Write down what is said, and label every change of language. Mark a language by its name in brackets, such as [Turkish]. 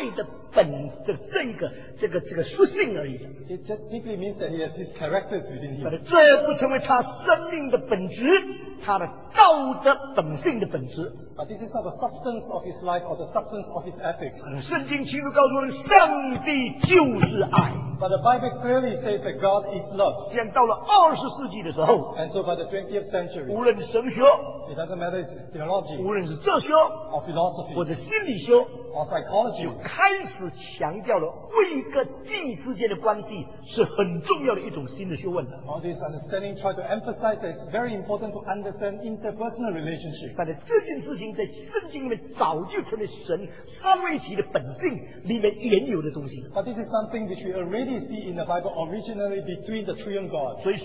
[Chinese] 就表示他有这种慈悲的爱的本，这个属性而已。 [English] It just simply means that He has these characters within Him. [Chinese] 这不成为他生命的本质。他的道德本性的本质, [English] but this is not the substance of his life or the substance of his ethics. [Chinese] 圣经清楚告诉我们，上帝就是爱。 [English] But the Bible clearly says that God is love. [Chinese] 这样到了20世纪的时候, [English] and so by the 20th century, [Chinese] 无论神学, [English] it doesn't matter if it's theology, [Chinese] 无论是哲学, [English] or philosophy, [Chinese] 或者心理学, [English] or psychology, [Chinese] 就开始强调了位格记之间的关系是很重要的一种新的学问的。 [English] All this understanding try to emphasize that it's very important to understand interpersonal relationship. [Chinese] 但是这件事情在圣经里面早就成为神三位一体的本性里面原有的东西。 [English] But this is something which we already see in the Bible originally between the Triune God.